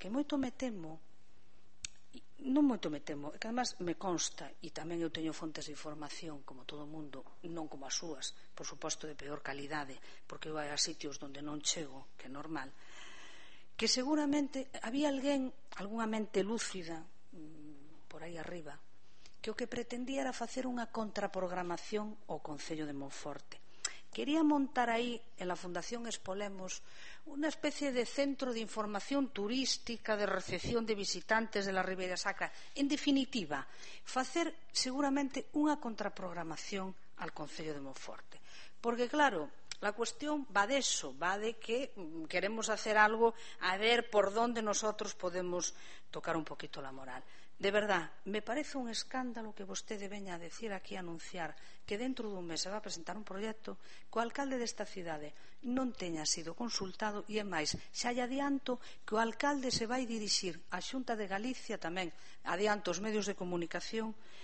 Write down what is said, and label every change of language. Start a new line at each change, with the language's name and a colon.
Galician: Que moito me temo, non moito me temo, que además me consta, e tamén eu teño fontes de información como todo mundo, non como as súas, por suposto de peor calidade, porque vai a sitios onde non chego, que é normal, que seguramente había alguén, alguna mente lúcida por aí arriba, que o que pretendía era facer unha contraprogramación ao Concello de Monforte. Quería montar aí en la Fundación Espolemos unha especie de centro de información turística, de recepción de visitantes de la Ribeira Sacra. En definitiva, facer seguramente unha contraprogramación al Concello de Monforte.
Spanish: Porque claro, la cuestión va de eso, va de que queremos hacer algo a ver por donde nosotros podemos tocar un poquito la moral.
Galician: De verdad, me parece un escándalo que vostede veña a decir aquí, a anunciar que dentro dun mes se va a presentar un proxecto que o alcalde desta cidade non teña sido consultado, e é máis, xa hai adianto que o alcalde se vai dirixir á Xunta de Galicia, tamén adianto os medios de comunicación,